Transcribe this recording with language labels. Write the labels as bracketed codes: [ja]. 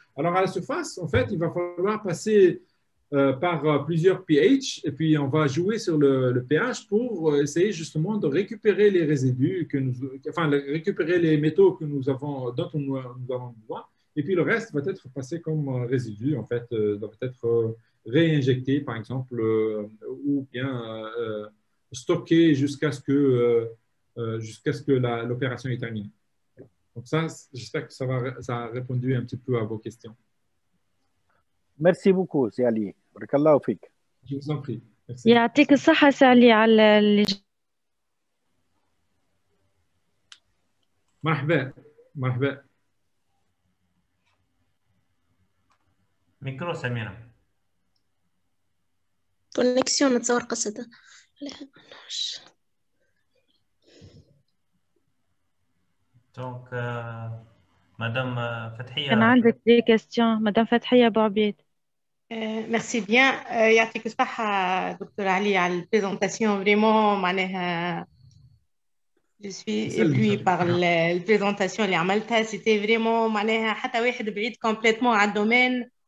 [fr] Alors à la surface, en fait, il va falloir passer par plusieurs pH, et puis on va jouer sur le pH pour essayer justement de récupérer les résidus, récupérer les métaux que nous avons, dont nous avons besoin, et puis le reste va être passé comme résidu, en fait, va être réinjecté, par exemple, ou bien stocké jusqu'à ce que l'opération est terminée. Donc ça, j'espère que ça a répondu un petit peu à vos questions. Merci beaucoup, c'est Ali. [ar] بارك الله فيك. يعطيك الصحة سالي على اللي مرحبا. ميكرو سميرة. كونيكسيون نتصور قصدا. دونك مدام فتحية. كان عندك [fr] دي كيستيون [ar] مدام فتحية أبو عبيد. [fr] Merci bien. [ar] Yatik Saha, [fr] Dr. Ali, à la présentation, vraiment, je suis éblouie par la présentation, c'était vraiment, complètement à domaine.